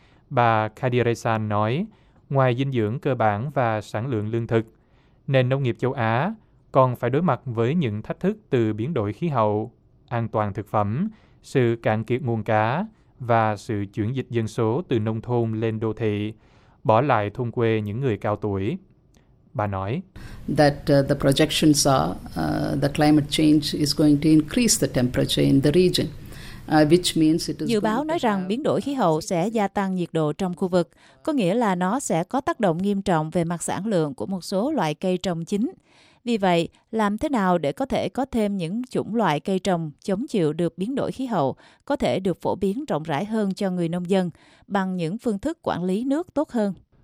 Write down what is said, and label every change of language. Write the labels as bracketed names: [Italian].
[Vietnamese] Bà Khadiresan nói, ngoài dinh dưỡng cơ bản và sản lượng lương thực, nền nông nghiệp châu Á còn phải đối mặt với những thách thức từ biến đổi khí hậu, an toàn thực phẩm, sự cạn kiệt nguồn cá và sự chuyển dịch dân số từ nông thôn lên đô thị, bỏ lại thôn quê những người cao tuổi. Bà nói, [English] that the projections are the climate change is going to increase the temperature in the region. [Vietnamese] Dự báo nói rằng biến đổi khí hậu sẽ gia tăng nhiệt độ trong khu vực, có nghĩa là nó sẽ có tác động nghiêm trọng về mặt sản lượng của một số loại cây trồng chính. Vì vậy, làm thế nào để có thể có thêm những chủng loại cây trồng chống chịu được biến đổi khí hậu có thể được phổ biến rộng rãi hơn cho người nông dân bằng những phương thức quản lý nước tốt hơn?